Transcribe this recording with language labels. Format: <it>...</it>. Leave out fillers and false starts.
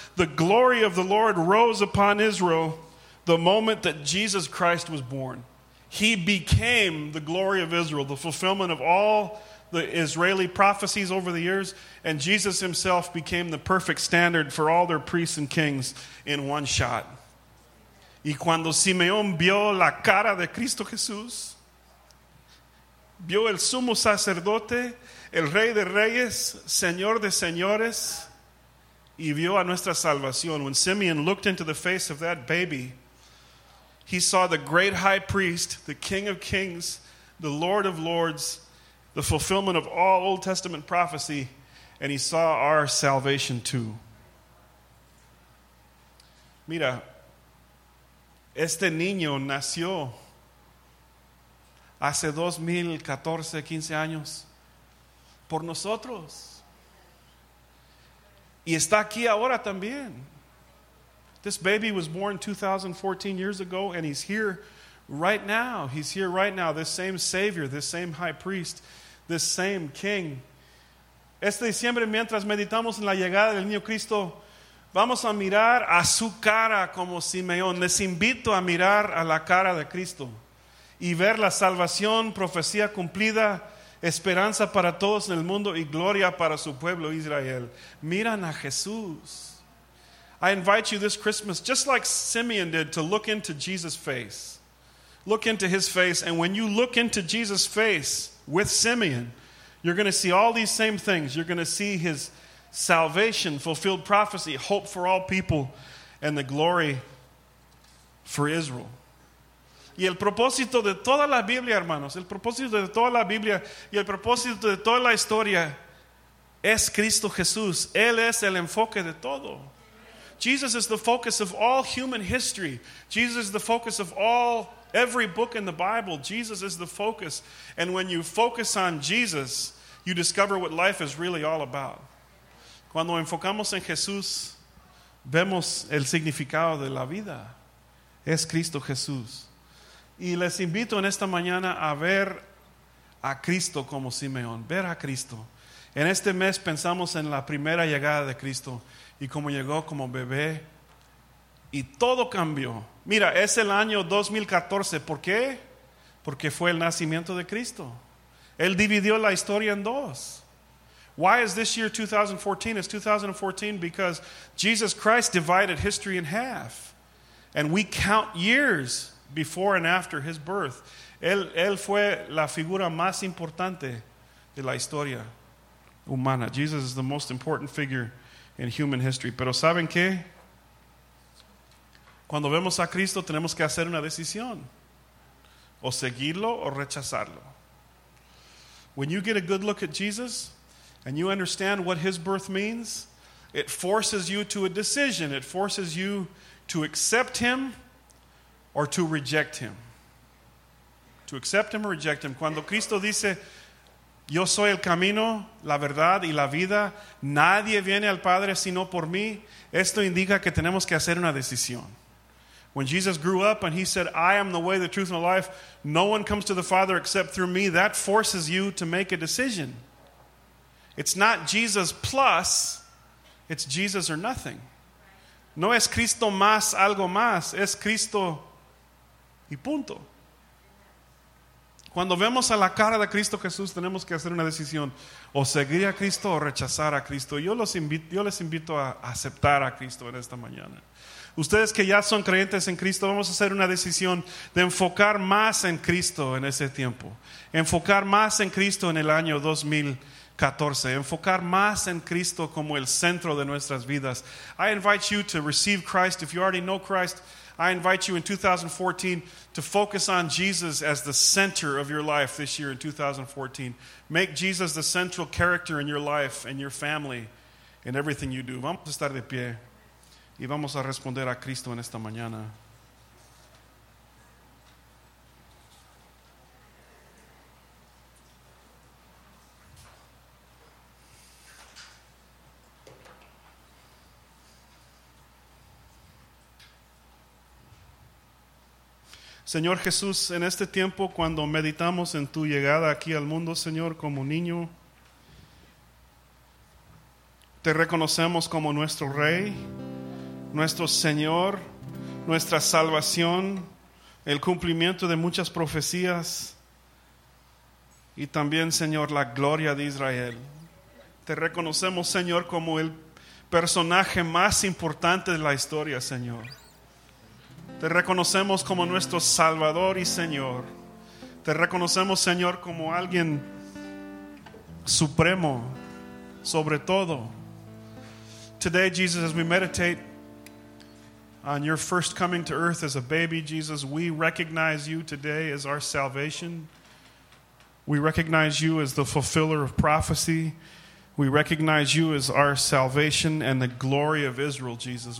<en>The glory of the Lord rose upon Israel the moment that Jesus Christ was born. He became the glory of Israel, the fulfillment of all the Israeli prophecies over the years, and Jesus himself became the perfect standard for all their priests and kings in one shot.</en> <es>Y cuando Simeón vio la cara de Cristo Jesús, vio el sumo sacerdote, el rey de reyes, señor de señores, y vio a nuestra salvación.</es> <en>When Simeon looked into the face of that baby, he saw the great high priest, the King of Kings, the Lord of Lords, the fulfillment of all Old Testament prophecy, and he saw our salvation too.</en> <es>Mira, este niño nació hace 2014, 15 años por nosotros. Y está aquí ahora también.</es> <en>This baby was born 2014 years ago, and he's here right now. He's here right now, this same Savior, this same High Priest, this same King.</en> <es>Este diciembre, mientras meditamos en la llegada del niño Cristo, vamos a mirar a su cara como Simeón. Les invito a mirar a la cara de Cristo y ver la salvación, profecía cumplida, esperanza para todos en el mundo y gloria para su pueblo Israel. Miran a Jesús.</es> <en>I invite you this Christmas, just like Simeon did, to look into Jesus' face. Look into his face. And when you look into Jesus' face with Simeon, you're going to see all these same things. You're going to see his salvation, fulfilled prophecy, hope for all people, and the glory for Israel.</en> <es>Y el propósito de toda la Biblia, hermanos, el propósito de toda la Biblia y el propósito de toda la historia es Cristo Jesús. Él es el enfoque de todo.</es> <en>Jesus is the focus of all human history. Jesus is the focus of all, every book in the Bible. Jesus is the focus. And when you focus on Jesus, you discover what life is really all about.</en> <es>Cuando enfocamos en Jesús, vemos el significado de la vida. es Cristo Jesús. Y les invito en esta mañana a ver a Cristo como Simeón, ver a Cristo. En este mes pensamos en la primera llegada de Cristo y cómo llegó como bebé y todo cambió. Mira, es el año 2014. ¿Por qué? Porque fue el nacimiento de Cristo. Él dividió la historia en dos.</es> <en>Why is this year 2014? It's 2014 because Jesus Christ divided history in half. And we count years before and after his birth.</en> <es>Él fue la figura más importante de la historia humana.</es> <en>Jesus is the most important figure in human history.</en> <es>Pero ¿saben qué? Cuando vemos a Cristo, tenemos que hacer una decisión. O seguirlo o rechazarlo.</es> <en>When you get a good look at Jesus and you understand what his birth means, it forces you to a decision. It forces you to accept him or to reject him. To accept him or reject him.</en> <es>Cuando Cristo dice, yo soy el camino, la verdad y la vida, nadie viene al Padre sino por mí, esto indica que tenemos que hacer una decisión.</es> <en>When Jesus grew up and he said, I am the way, the truth, and the life, no one comes to the Father except through me, that forces you to make a decision. It's not Jesus plus, it's Jesus or nothing.</en> <es>No es Cristo más algo más, es Cristo y punto. Cuando vemos a la cara de Cristo Jesús, tenemos que hacer una decisión, o seguir a Cristo o rechazar a Cristo. Yo les invito a aceptar a Cristo en esta mañana. Ustedes que ya son creyentes en Cristo, vamos a hacer una decisión de enfocar más en Cristo en ese tiempo. Enfocar más en Cristo en el año 2014. Enfocar más en Cristo como el centro de nuestras vidas.</es> <en>I invite you to receive Christ. If you already know Christ, I invite you in 2014 to focus on Jesus as the center of your life this year in 2014. Make Jesus the central character in your life and your family and everything you do.</en> <es>Vamos a estar de pie. Y vamos a responder a Cristo en esta mañana. Señor Jesús, en este tiempo cuando meditamos en tu llegada aquí al mundo, Señor, como niño, te reconocemos como nuestro Rey, nuestro Señor, nuestra salvación, el cumplimiento de muchas profecías y también, Señor, la gloria de Israel. Te reconocemos, Señor, como el personaje más importante de la historia, Señor. Te reconocemos como nuestro Salvador y Señor. Te reconocemos, Señor, como alguien supremo sobre todo.</es> <en>Today, Jesus, as we meditate on your first coming to earth as a baby, Jesus, we recognize you today as our salvation. We recognize you as the fulfiller of prophecy. We recognize you as our salvation and the glory of Israel, Jesus.</en>